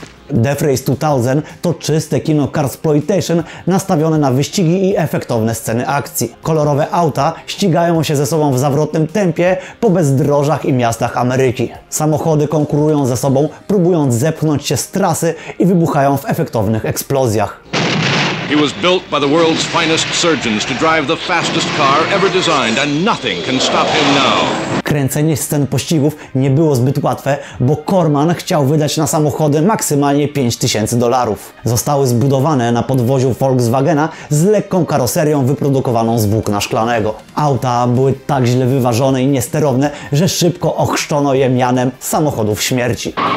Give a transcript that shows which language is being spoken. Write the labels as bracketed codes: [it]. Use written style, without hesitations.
[pl] Death Race 2000 to czyste kino carsploitation nastawione na wyścigi i efektowne sceny akcji. Kolorowe auta ścigają się ze sobą w zawrotnym tempie po bezdrożach i miastach Ameryki. Samochody konkurują ze sobą, próbując zepchnąć się z trasy i wybuchają w efektownych eksplozjach. [en] He was built by the world's finest surgeons to drive the fastest car ever designed, and nothing can stop him now. [pl] Kręcenie scen pościgów nie było zbyt łatwe, bo Corman chciał wydać na samochody maksymalnie $5000. Zostały zbudowane na podwoziu Volkswagena z lekką karoserią wyprodukowaną z włókna szklanego. Auta były tak źle wyważone i niesterowne, że szybko ochrzczono je mianem samochodów śmierci.